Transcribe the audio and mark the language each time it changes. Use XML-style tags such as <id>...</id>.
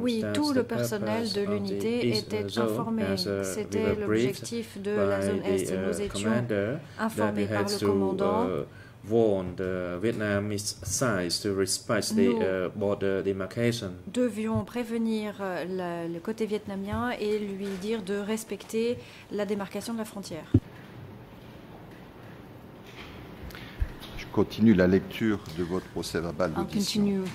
<fr>Oui, tout le personnel de l'unité était informé. C'était l'objectif de la zone est et nous étions informés par le commandant.</fr> <en>Warned Vietnamese sides to respect the border demarcation.</en> <fr>Nous devions prévenir le côté vietnamien et lui dire de respecter la démarcation de la frontière. Continue la lecture de votre procès-verbal d'audition.</fr>